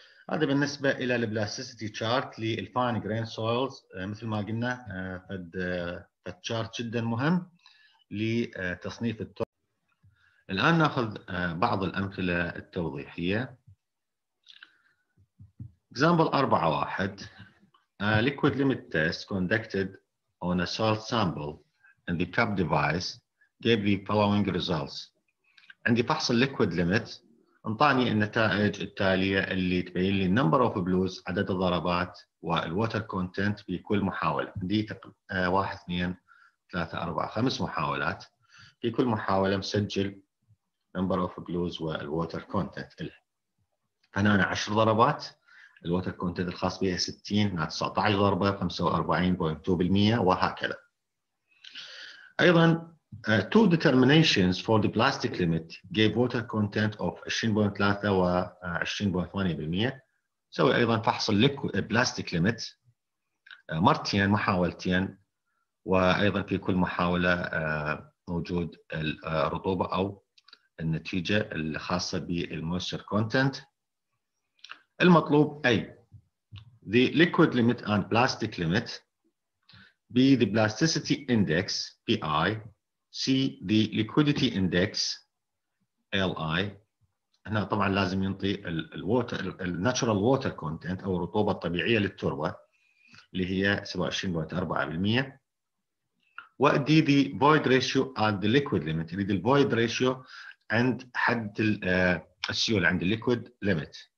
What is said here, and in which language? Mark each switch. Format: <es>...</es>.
<ar>هذا بالنسبة إلى البلاستيسيتي تشارت للفاين جرين سويلز، مثل ما قلنا فد تشارت جدا مهم لتصنيف التربة. الآن نأخذ بعض الأمثلة التوضيحية.</ar> <en>Example 4.1 Liquid limit test conducted on a salt sample in the cup device gave the following results.</en> <ar>عندي فحص الليكويد ليميت انطاني النتائج التالية اللي تبين لي number of blues، عدد الضربات والwater content في كل محاولة. دي 1, 2, 3, 4, 5 محاولات، في كل محاولة مسجل number of blues والwater content إله. فهنا أنا 10 ضربات، الwater content الخاص بها 60، مع 19 ضربة 45.2%، وهكذا.</ar> <en>أيضا two determinations for the plastic limit gave water content of 20.3 و 20.8%.</en> <ar>سوي أيضا فحص البلاستيك ليميت مرتين محاولتين، وأيضا في كل محاولة موجود الرطوبة أو النتيجة الخاصة بالموستر كونتنت.</ar> <en>المطلوب A the liquid limit and plastic limit B, the plasticity index, PI. C, the liquidity index, LI.</en> <ar>هنا طبعا لازم ينطي الووتر الناتشرال ووتر كونتنت او الرطوبه الطبيعيه للتربه اللي هي 27.4%.</ar> <en>ودي دي void ratio and the liquid limit، يريد void ratio عند حد السيول عند liquid limit.</en>